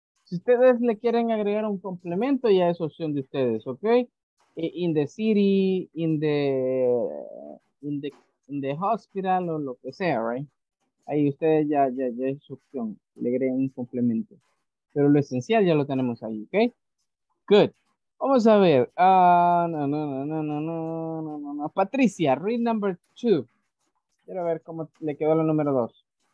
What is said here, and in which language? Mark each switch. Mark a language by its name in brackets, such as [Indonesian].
[Spanish] Si ustedes le quieren agregar un complemento, ya es opción de ustedes, ¿ok? [English] In the city, in the hospital, o lo que sea, right? [Spanish] Ahí ustedes ya es opción, le agregan un complemento. Pero lo esencial ya lo tenemos ahí, ¿ok? Good. Vamos a ver. No. [English] Patricia, read number two. [Spanish] Quiero ver cómo le quedó la número dos.